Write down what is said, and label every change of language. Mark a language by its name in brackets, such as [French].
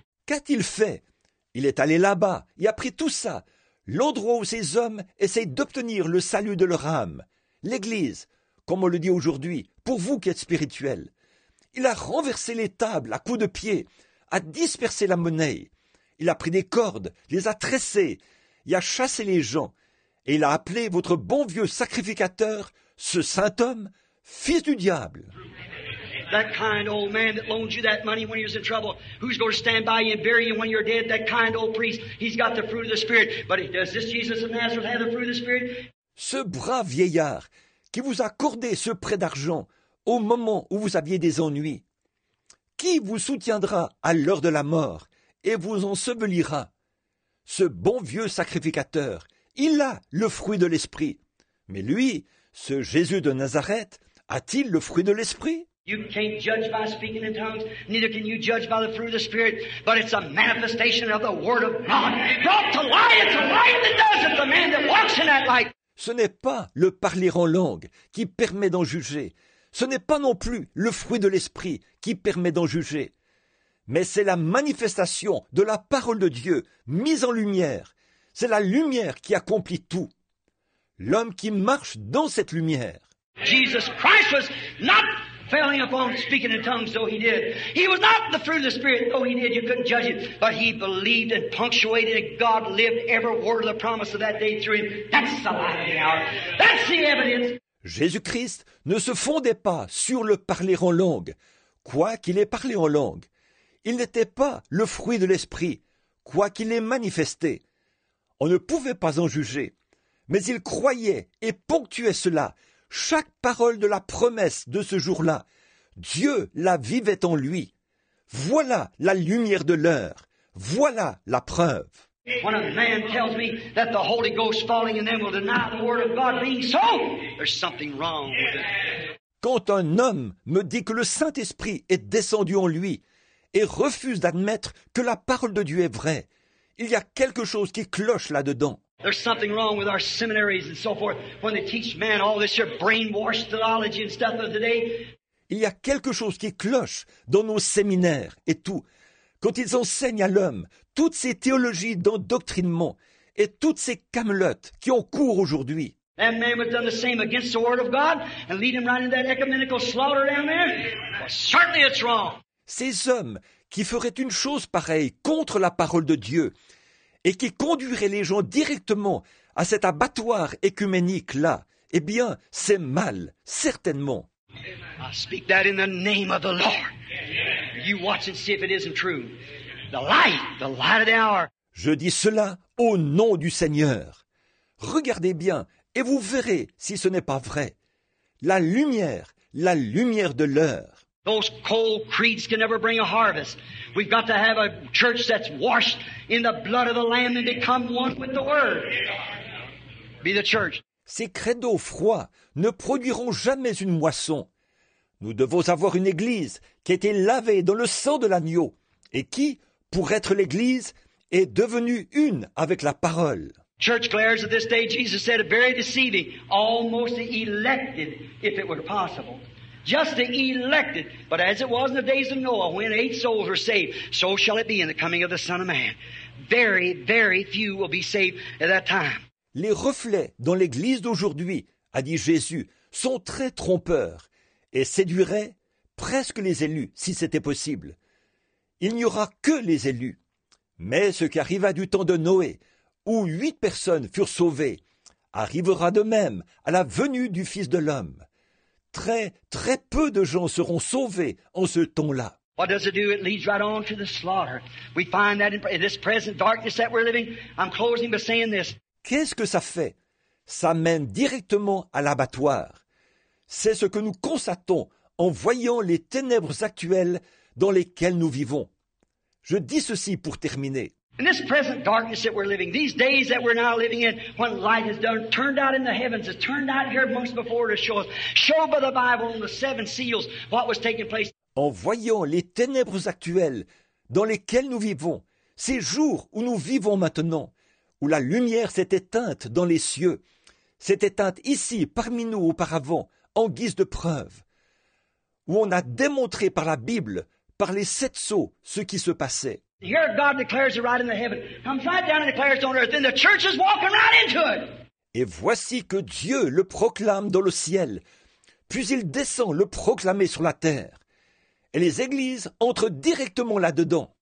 [French] Qu'a-t-il fait? Il est allé là-bas et a pris tout ça, l'endroit où ces hommes essayent d'obtenir le salut de leur âme, l'Église, comme on le dit aujourd'hui, pour vous qui êtes spirituels. Il a renversé les tables à coups de pied, a dispersé la monnaie. Il a pris des cordes, les a tressées, il a chassé les gens. Et il a appelé votre bon vieux sacrificateur, ce saint homme, fils du diable. [English] That kind old man that loaned you that money when he was in trouble, who's going to stand by you and bury you when you're dead? That kind old priest, he's got the fruit of the Spirit. But does this Jesus of Nazareth have the fruit of the Spirit? [French] Ce brave vieillard qui vous a accordé ce prêt d'argent au moment où vous aviez des ennuis, qui vous soutiendra à l'heure de la mort et vous ensevelira? Ce bon vieux sacrificateur, il a le fruit de l'Esprit. Mais lui, ce Jésus de Nazareth, a-t-il le fruit de l'Esprit? [English] You can't judge by speaking in tongues, neither can you judge by the fruit of the Spirit, but it's a manifestation of the Word of God. Brought to light, it's a light that does it, the man that walks in that light. [French] Ce n'est pas le parler en langue qui permet d'en juger. Ce n'est pas non plus le fruit de l'Esprit qui permet d'en juger. Mais c'est la manifestation de la parole de Dieu mise en lumière. C'est la lumière qui accomplit tout. L'homme qui marche dans cette lumière. [English] Jesus Christ was not failing upon speaking in tongues, though he did. He was not the fruit of the Spirit, though he did. You couldn't judge it. But he believed and punctuated that God lived every word of the promise of that day through him. That's the light of the hour. That's the evidence. [French] Jésus-Christ ne se fondait pas sur le parler en langue, quoi qu'il ait parlé en langue. Il n'était pas le fruit de l'Esprit, quoi qu'il ait manifesté. On ne pouvait pas en juger. Mais il croyait et ponctuait cela, chaque parole de la promesse de ce jour-là. Dieu la vivait en lui. Voilà la lumière de l'heure. Voilà la preuve. [English] When a man tells me that the Holy Ghost falling in them will deny the word of God being so, there's something wrong with it. [French] Quand un homme me dit que le Saint-Esprit est descendu en lui et refuse d'admettre que la parole de Dieu est vraie, il y a quelque chose qui cloche là-dedans. [English] There's something wrong with our seminaries and so forth when they teach man all this your brainwashed theology and stuff of the day. [French] Il y a quelque chose qui cloche dans nos séminaires et tout. Quand ils enseignent à l'homme toutes ces théologies d'endoctrinement et toutes ces camelotes qui ont cours aujourd'hui. [English] That man would have done the same against the word of God and lead him right into that ecumenical slaughter down there. Well, certainly it's wrong. [French] Ces hommes qui feraient une chose pareille contre la parole de Dieu et qui conduiraient les gens directement à cet abattoir écuménique là, eh bien, c'est mal, certainement. [English] I speak that in the name of the Lord. You watch and see if it isn't true. The light of the hour. [French] Je dis cela au nom du Seigneur. Regardez bien et vous verrez si ce n'est pas vrai. La lumière de l'heure. [English] Those cold creeds can never bring a harvest. We've got to have a church that's washed in the blood of the Lamb and become one with the Word. Be the church. [French] Ces credos froids ne produiront jamais une moisson. Nous devons avoir une église qui a été lavée dans le sang de l'agneau et qui, pour être l'église, est devenue une avec la parole. [English] Church glares of this day, Jesus said, are very deceiving. Almost the elected, if it were possible. Just the elected. But as it was in the days of Noah, when 8 souls were saved, so shall it be in the coming of the Son of Man. Very, very few will be saved at that time. [French] Les reflets dans l'Église d'aujourd'hui, a dit Jésus, sont très trompeurs et séduiraient presque les élus, si c'était possible. Il n'y aura que les élus. Mais ce qui arriva du temps de Noé, où 8 personnes furent sauvées, arrivera de même à la venue du Fils de l'homme. Très, très peu de gens seront sauvés en ce temps-là. [English] What does it do? It leads right on to the slaughter. We find that in this present darkness that we're living. I'm closing by saying this. [French] Qu'est-ce que ça fait? Ça mène directement à l'abattoir. C'est ce que nous constatons en voyant les ténèbres actuelles dans lesquelles nous vivons. Je dis ceci pour terminer. [English] In this present darkness that we're living, these days that we're now living in, when light is done, turned out in the heavens, it's turned out here amongst before to show us, showed by the Bible and the 7 seals, what was taking place. [French] En voyant les ténèbres actuelles dans lesquelles nous vivons, ces jours où nous vivons maintenant, où la lumière s'est éteinte dans les cieux, s'est éteinte ici parmi nous auparavant, en guise de preuve, où on a démontré par la Bible, par les 7 sceaux, ce qui se passait. [English] Here God declares it right in the heaven, comes right down and declares it on earth, and the church is walking right into it. [French] Et voici que Dieu le proclame dans le ciel, puis il descend le proclamer sur la terre. Et les églises entrent directement là-dedans.